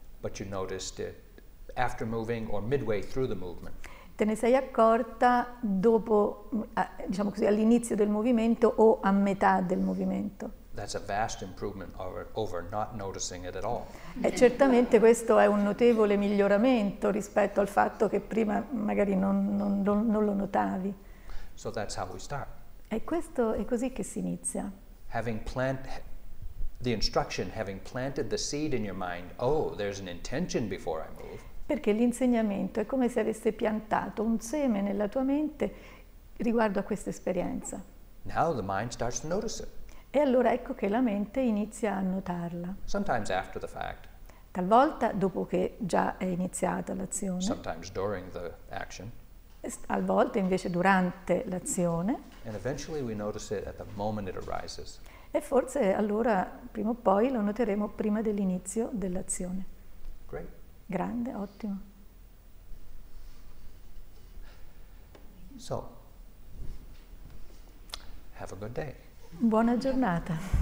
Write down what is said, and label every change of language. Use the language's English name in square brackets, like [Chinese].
[English] But you noticed it after moving or midway through the movement. [Italian] te ne sei accorta dopo, diciamo così, all'inizio del movimento o a metà del movimento. [English] That's a vast improvement over not noticing it at all. [Italian] E certamente questo è un notevole miglioramento rispetto al fatto che prima magari non lo notavi. [English] So that's how we start. [Italian] E questo è così che si inizia. [English] Having planted the seed in your mind, oh, there's an intention before I move. [Italian] Perché l'insegnamento è come se avesse piantato un seme nella tua mente riguardo a questa esperienza. [English] Now the mind starts to notice it. [Italian] E allora ecco che la mente inizia a notarla. [English] Sometimes after the fact. [Italian] Talvolta dopo che già è iniziata l'azione. [English] Sometimes during the action. [Italian] Talvolta invece durante l'azione. [English] And eventually we notice it at the moment it arises. [Italian] E forse allora prima o poi lo noteremo prima dell'inizio dell'azione. [English] Great. [Italian] Grande, ottimo. [English] So, have a good day. [Italian] Buona giornata.